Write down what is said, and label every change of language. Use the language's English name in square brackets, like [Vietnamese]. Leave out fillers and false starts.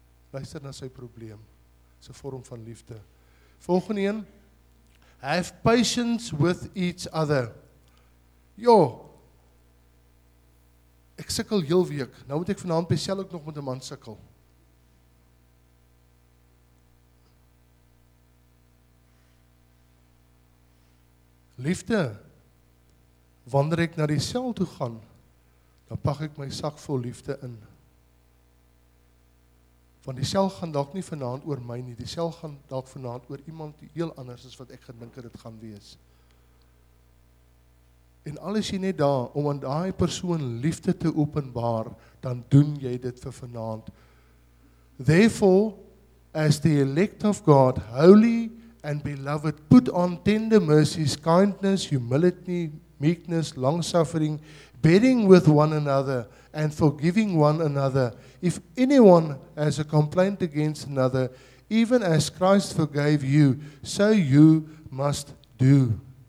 [Afrikaans] Luister na sy probleem, sy vorm van liefde. Volgende een, [English] have patience with each other. [Afrikaans] Jo, ek sikkel heel week, nou moet ek vanavond besel ook nog met een man sikkel. Liefde, wanneer ek na die sel toe gaan, dan pak ek my sak vol liefde in. Want die sel gaan dalk nie vanavond oor my nie, die sel gaan dalk vanavond oor iemand die heel anders is wat ek gedink het gaan wees. En al is jy net daar, om aan die persoon liefde te openbaar, dan doen jy dit vir vanavond. [English] Therefore, as the elect of God, holy and beloved, put on tender mercies, kindness, humility, meekness, longsuffering, bearing with one another, and forgiving one another. If anyone has a complaint against another, even as Christ forgave you, so you must do.